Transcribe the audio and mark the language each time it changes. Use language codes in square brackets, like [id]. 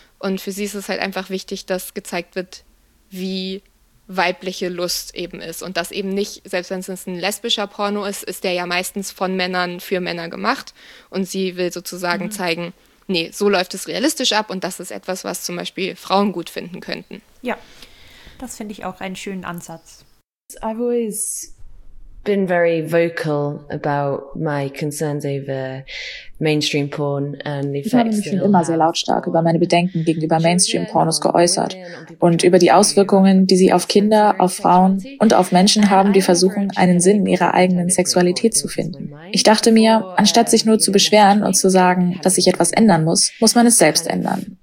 [de] Und für sie ist es halt einfach wichtig, dass gezeigt wird, wie weibliche Lust eben ist. Und dass eben nicht, selbst wenn es ein lesbischer Porno ist, ist der ja meistens von Männern für Männer gemacht. Und sie will sozusagen zeigen, nee, so läuft es realistisch ab und das ist etwas, was zum Beispiel Frauen gut finden könnten. Ja, das finde ich auch einen schönen Ansatz. [en] I've always been very vocal about my concerns over mainstream porn and the effects. [de] Ich habe mich schon immer sehr lautstark über meine Bedenken gegenüber Mainstream-Pornos geäußert und über die Auswirkungen, die sie auf Kinder, auf Frauen und auf Menschen haben, die versuchen, einen Sinn in ihrer eigenen Sexualität zu finden. Ich dachte mir, anstatt sich nur zu beschweren und zu sagen, dass sich etwas ändern muss, muss man es selbst ändern.